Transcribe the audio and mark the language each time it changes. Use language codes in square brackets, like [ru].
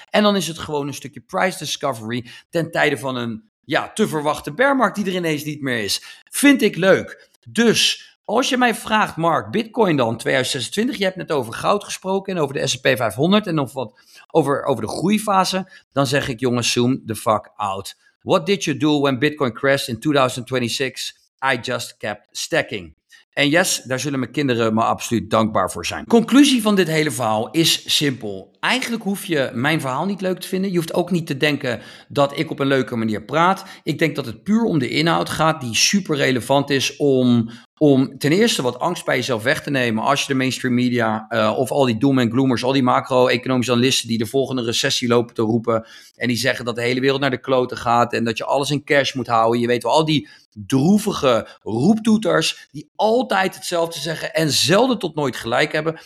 [nl] En dan is het gewoon een stukje price discovery ten tijde van een, ja, te verwachten bear market die er ineens niet meer is. Vind ik leuk. Dus Als je mij vraagt, Mark, Bitcoin dan 2026, je hebt net over goud gesproken en over de S&P 500 en of wat, over de groeifase, dan zeg ik, jongens, [en] zoom the fuck out. What did you do when Bitcoin crashed in 2026? I just kept stacking. [nl] En yes, daar zullen mijn kinderen me absoluut dankbaar voor zijn. Conclusie van dit hele verhaal is simpel. Eigenlijk hoef je mijn verhaal niet leuk te vinden. Je hoeft ook niet te denken dat ik op een leuke manier praat. Ik denk dat het puur om de inhoud gaat die super relevant is om ten eerste wat angst bij jezelf weg te nemen als je de mainstream media of al die doom en gloomers, al die macro-economische analisten die de volgende recessie lopen te roepen en die zeggen dat de hele wereld naar de kloten gaat en dat je alles in cash moet houden. Je weet wel, al die droevige roeptoeters die altijd hetzelfde zeggen en zelden tot nooit gelijk hebben.